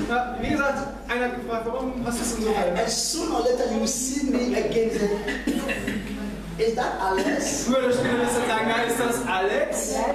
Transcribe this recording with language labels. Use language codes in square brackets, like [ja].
[de] Ja, wie gesagt, einer hat gefragt, warum hast du es so weit? [en] As soon or later you see me again. Is that Alex? [de] Früher oder später wirst du sagen, ist das Alex?